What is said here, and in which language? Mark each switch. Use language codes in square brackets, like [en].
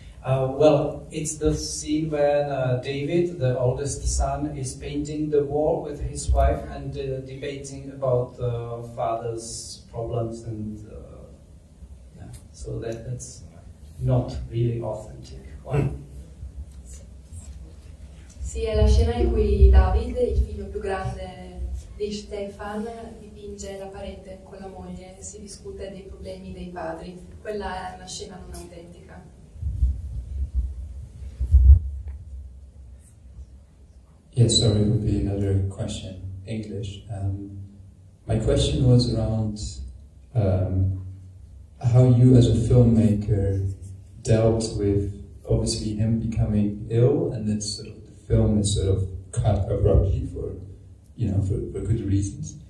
[en] Well, it's the scene when David, the oldest son, is painting the wall with his wife and debating about the father's problems. And yeah, so that's not really authentic. [it] Sì, è la scena in cui David, il figlio più grande di Stefan, dipinge la parete con la moglie e si discute dei problemi dei padri. Quella è una scena non autentica. [en] Yes, sorry, it would be another question, English. My question was around how you as a filmmaker dealt with obviously him becoming ill, and then sort of the film is sort of cut abruptly for, you know, for good reasons.